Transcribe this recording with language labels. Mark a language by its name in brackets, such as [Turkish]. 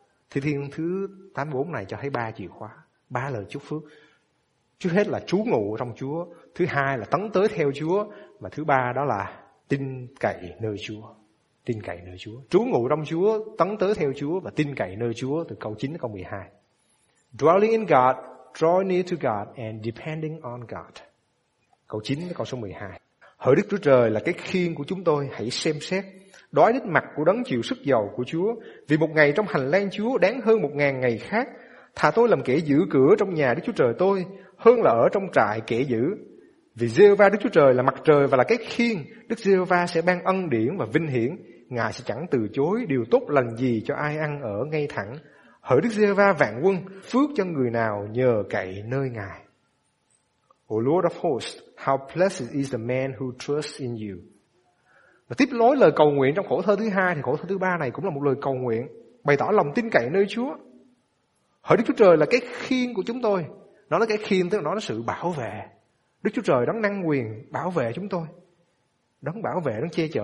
[Vietnamese] Thi thiên thứ 84 này cho thấy ba chìa khóa, ba lời chúc phước. Trước hết là trú ngụ trong Chúa, thứ hai là tấn tới theo Chúa, và thứ ba đó là tin cậy nơi Chúa. Tin cậy nơi Chúa. Trú ngụ trong Chúa, tấn tới theo Chúa và tin cậy nơi Chúa, từ câu 9 đến câu 12. [English] Dwelling in God, draw near to God and depending on God. [Vietnamese] Câu 9 đến câu số 12. Hỡi Đức Chúa Trời là cái khiên của chúng tôi, hãy xem xét. Đói đến mặt của đấng chịu sức dầu của Chúa, vì một ngày trong hành lang Chúa đáng hơn 1000 ngày khác. Thà tôi làm kẻ giữ cửa trong nhà Đức Chúa Trời tôi, hơn là ở trong trại kẻ giữ. Vì Giê-hô-va Đức Chúa Trời là mặt trời và là cái khiên, Đức Giê-hô-va sẽ ban ân điển và vinh hiển. Ngài sẽ chẳng từ chối điều tốt lành gì cho ai ăn ở ngay thẳng. Hỡi Đức Giê-hô-va vạn quân, phước cho người nào nhờ cậy nơi Ngài. [English] O Lord of hosts, how blessed is the man who trusts in you. [Vietnamese] Và tiếp nối lời cầu nguyện trong khổ thơ thứ hai, thì khổ thơ thứ ba này cũng là một lời cầu nguyện, bày tỏ lòng tin cậy nơi Chúa. Hỡi Đức Chúa Trời là cái khiên của chúng tôi. Nó là cái khiên, tức là nó là sự bảo vệ. Đức Chúa Trời đấng năng quyền bảo vệ chúng tôi, đấng bảo vệ, đấng che chở.